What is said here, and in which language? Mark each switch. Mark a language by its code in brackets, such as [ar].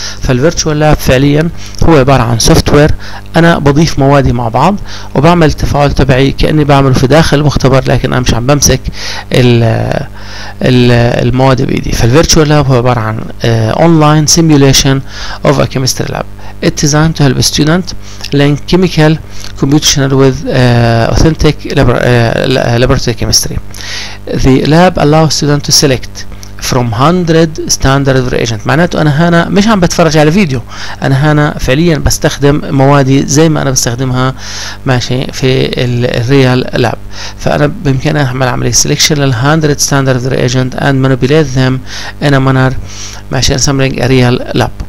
[ar] فالفيرتشوال لاب فعليا هو عبارة عن سوفتوير انا بضيف موادي مع بعض وبعمل التفاعل تبعي كأني بعمله في داخل المختبر، لكن انا مش عم بمسك المواد بايدي. [en] فالفيرتشوال لاب [ar] هو عبارة عن [en] Online simulation of a chemistry lab. It's designed to help students learn chemical computation with authentic laboratory chemistry. The lab allows students to select from 100 standard reagent. [ar] معناته أنا هنا مش عم بتفرج على فيديو، أنا هنا فعليا بستخدم موادي زي ما أنا بستخدمها ماشي في الريال لاب. فأنا بإمكاني أعمل عملية [en] selection لل 100 standard reagent and manipulate them in a manner ماشي assembling a real lab.